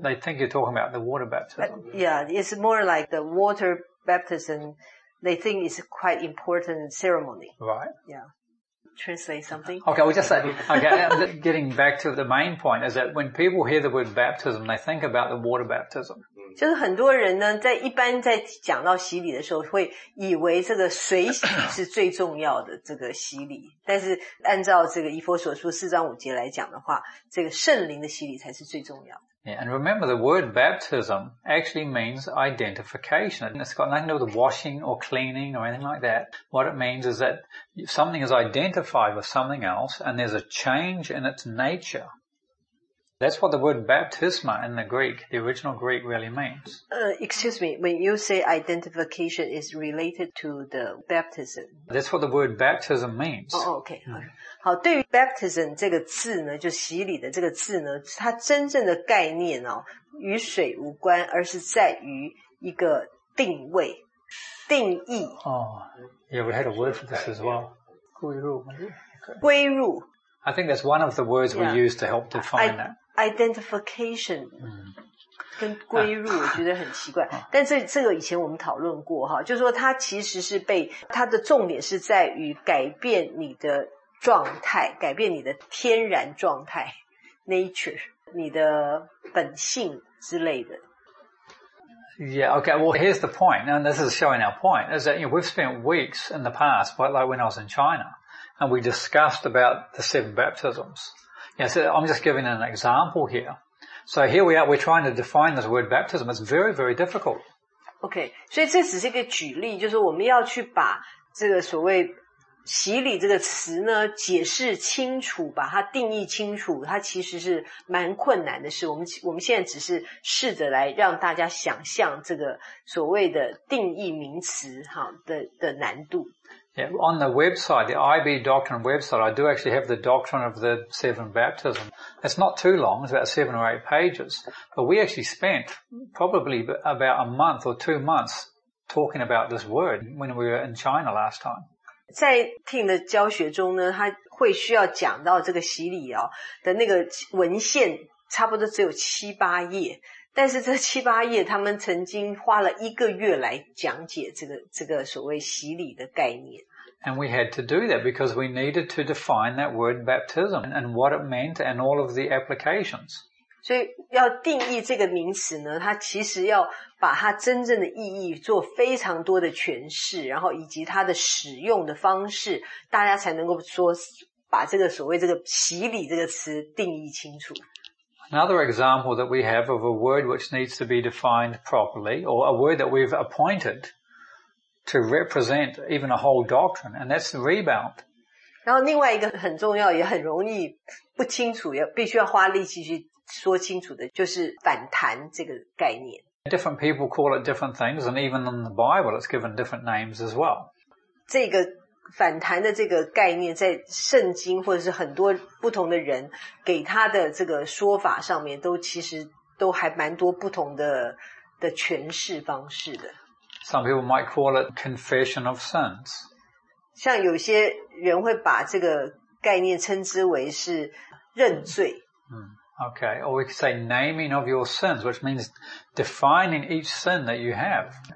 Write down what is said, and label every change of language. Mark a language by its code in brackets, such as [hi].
[en] They think you're talking about the water baptism. Yeah, it's more like the water baptism. They think it's quite important ceremony. Right. Yeah. Translate something. Okay, we'll just say, getting back to the main point is that when people hear the word baptism, they think about the water baptism. [zh] 就是很多人呢在一般在讲到洗礼的时候会以为这个水洗是最重要的这个洗礼。但是按照这个以弗所书四章五节来讲的话，这个圣灵的洗礼才是最重要的。 [en] Yeah, and remember the word baptism actually means identification. It's got nothing to do with washing or cleaning or anything like that. What it means is that something is identified with something else and there's a change in its nature. That's what the word baptisma in the Greek, the original Greek really means. Excuse me, when you say identification is related to the baptism. That's what the word baptism means. Oh, okay. Mm-hmm. [zh] 好，对于 baptism 这个字呢，就洗礼的这个字呢，它真正的概念哦，与水无关，而是在于一个定位、定义。 [en] Yeah, we had a word for this as well. [zh] 归入。归入。 [en] I think that's one of the words we use to help define that. Identification. [zh] 跟归入我觉得很奇怪但这个以前我们讨论过哈，就是说它其实是被，它的重点是在于改变你的状态，改变你的天然状态 ，nature， 你的本性之类的。 [en] Yeah, okay. Well, here's the point, and this is showing our point, is that you know, we've spent weeks in the past, quite like when I was in China, and we discussed about the seven baptisms. Yeah, so I'm just giving an example here. So here we are. We're trying to define this word baptism. It's very, very difficult. [zh] Okay, 所以这只是一个举例，就是我们要去把这个所谓。洗礼这个词呢解释清楚把它定义清楚它其实是蛮困难的事我们现在只是试着来让大家想象这个所谓的定义名词好 的难度。 [en] Yeah, on the website, the IB Doctrine website, I do actually have the Doctrine of the Seven Baptism. It's not too long, it's about 7 or 8 pages. But we actually spent probably about a month or 2 months talking about this word when we were in China last time. [zh] 在听的教学中呢他会需要讲到这个洗礼哦的那个文献差不多只有七八页但是这七八页他们曾经花了一个月来讲解这个所谓洗礼的概念。 [en] And we had to do that because we needed to define that word baptism and what it meant and all of the applications. [zh] 所以要定义这个名词呢它其实要把它真正的意义做非常多的诠释然后以及它的使用的方式大家才能够说把这个所谓这个洗礼这个词定义清楚。 [en] Another example that we have of a word which needs to be defined properly or a word that we've appointed to represent even a whole doctrine and that's the rebound. [zh] 然后另外一个很重要也很容易不清楚也必须要花力气去说清楚的就是反弹这个概念。 [en] Different people call it different things, and even in the Bible, it's given different names as well. [zh] 这个反弹的这个概念，在圣经或者是很多不同的人给他的这个说法上面，都其实都还蛮多不同的诠释方式的。 [en] Some people might call it confession of sins. [zh] 像有些人会把这个概念称之为是认罪。 [en] Okay, or we could say naming of your sins, which means defining each sin that you have.